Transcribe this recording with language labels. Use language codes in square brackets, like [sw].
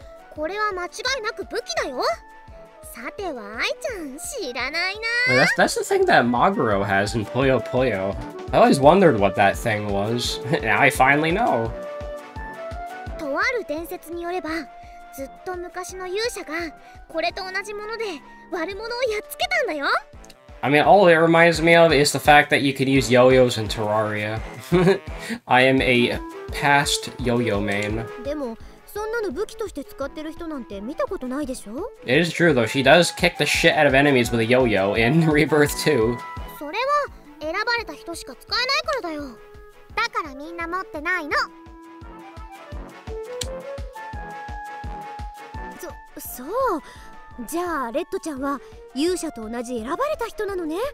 [ja] これは間違いなく武器だよ。さては、アイちゃん、知らないな。 [en] That's the thing that Maguro has in Puyo Puyo. I always wondered what that thing was. Now I finally know. [ja] とある伝説によれば、ずっと昔の勇者がこれと同じもので悪者をやっつけたんだよ。 [en] I mean, all it reminds me of is the fact that you could use yo-yos in Terraria. I am a past yo-yo main. [ja] でもそんなの武器として使ってる人なんて見たことないでしょ。 [en] It is true though, she does kick the shit out of enemies with a yo-yo in Rebirth 2. [ja] それは選ばれた人しか使えないからだよ。だからみんな持ってないの。そう、じゃあレッドちゃんは勇者と同じ選ばれた人なのね。